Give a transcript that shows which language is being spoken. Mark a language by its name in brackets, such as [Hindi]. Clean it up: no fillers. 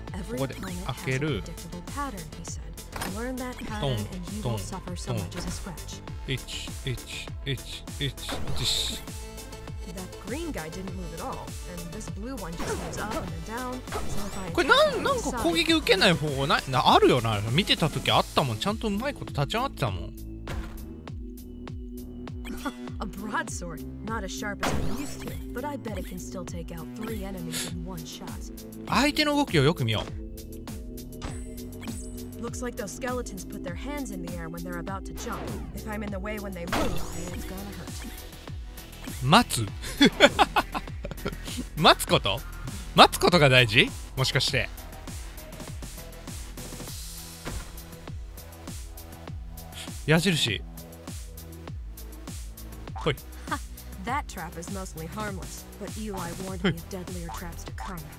[Japanese] ここで開ける、トントントン、これなんか攻撃受けない方法ないな、あるよな、見てた時あったもん、ちゃんとうまいこと立ち上がってたもん。 [English] A broadsword, not as sharp as I used to, but I bet it can still take out three enemies in one shot. [Japanese] 相手の動きをよく見よう。 [English] Looks like those skeletons put their hands in the air when they're about to jump. If I'm in the way when they move, it's gonna hurt. [Japanese] 待つ待つこと、待つことが大事もしかして。矢印、 [English] That trap is mostly harmless, but Eli warned me of deadlier traps to come.